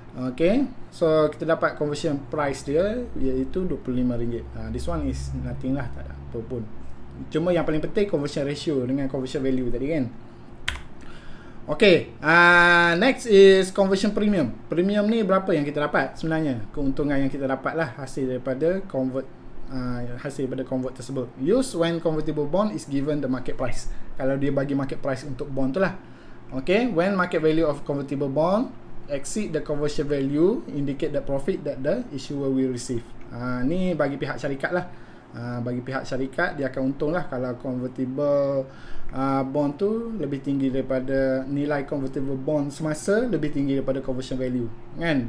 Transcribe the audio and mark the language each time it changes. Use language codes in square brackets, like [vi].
[ms] Okay, so kita dapat conversion price dia, iaitu RM25. [en] This one is nothing lah, [ms] tak ada apa pun. Cuma yang paling penting conversion ratio dengan conversion value tadi kan. [en] Okay, next is conversion premium. [ms] Premium ni berapa yang kita dapat sebenarnya? Keuntungan yang kita dapat lah, hasil daripada convert, hasil daripada convert tersebut. [en] Use when convertible bond is given the market price. [ms] Kalau dia bagi market price untuk bond tu lah. [en] Okay, when market value of convertible bond exceed the conversion value indicate the profit that the issuer will receive. [ms] Ni bagi pihak syarikat lah. Bagi pihak syarikat dia akan untung lah kalau convertible bond tu lebih tinggi daripada nilai convertible bond semasa lebih tinggi daripada conversion value, kan?